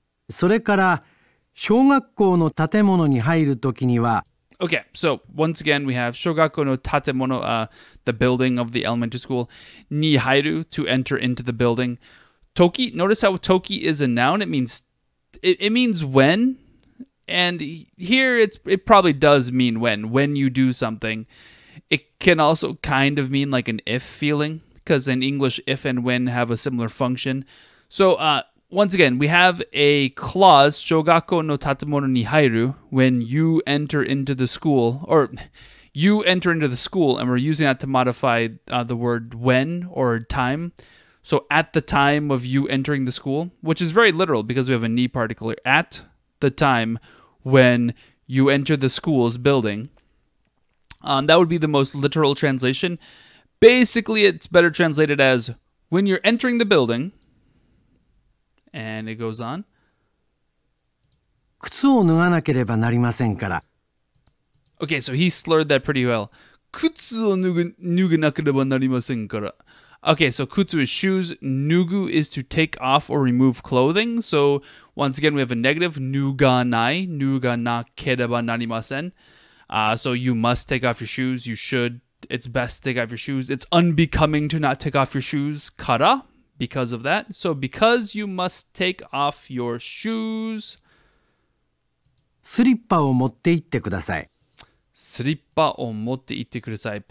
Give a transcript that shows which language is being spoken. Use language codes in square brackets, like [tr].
[ja] それから小学校の建物に入るときには [en] Okay, so once again we have [ja] 小学校の建物 [en] the building of the elementary school [ja] に入る, [en] to enter into the building. 時, notice how 時 is a noun. It means when, and here it probably does mean when you do something. It can also kind of mean like an if feeling, because in English if and when have a similar function. Once again, we have a clause, [ja] 小学校の建物に入る, [en] when you enter into the school, or you enter into the school, and we're using that to modify the word when or time. So at the time of you entering the school, which is very literal because we have a ni particle here, at the time when you enter the school's building. That would be the most literal translation. Basically, it's better translated as when you're entering the building. And it goes on. [ja] 靴を脱がなければなりませんから。 [en] Okay, so he slurred that pretty well. [ja] 靴を脱がなければなりませんから。 [en] Okay, so 靴 is shoes. 脱ぐ is to take off or remove clothing. So once again, we have a negative. [ja] 脱がない。脱がなければなりません。 [en] So you must take off your shoes. You should. It's best to take off your shoes. It's unbecoming to not take off your shoes. [ja] から。 [en] Because of that. So because you must take off your shoes. [ja] スリッパを持って行ってください。スリッパを持って行ってください。